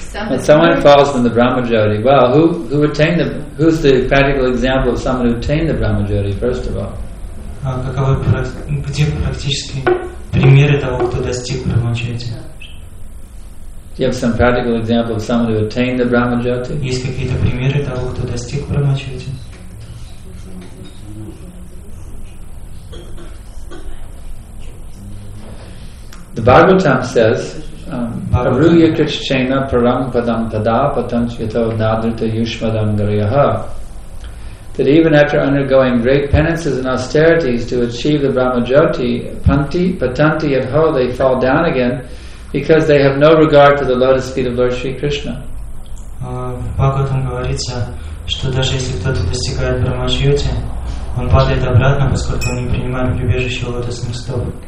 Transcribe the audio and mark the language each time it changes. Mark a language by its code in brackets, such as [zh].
[en] When someone falls from the Brahmajyoti, well, who attained the, who's the practical example of someone who attained the Brahmajyoti, first of all? [ru] Где практические примеры того, кто достиг Брахмаджоти? [en] Do you have some practical example of someone who attained the Brahmajyoti? [ru] Есть какие-то примеры того, кто достиг Брахмаджоти? [en] The Bhagavatam says, [sa] Avruya krishchena param padam tada patam svito nadrita yushmadam gariyaha, [en] that even after undergoing great penances and austerities to achieve the Brahmajyoti, [sa] panti patanti at ho, [en] they fall down again because they have no regard to the lotus feet of Lord Sri Krishna. [ru] Bhagavatam говорится, что даже если кто-то достигает Брахмаджоти, он падает обратно, поскольку он не принимает прибежище лотосных стоп.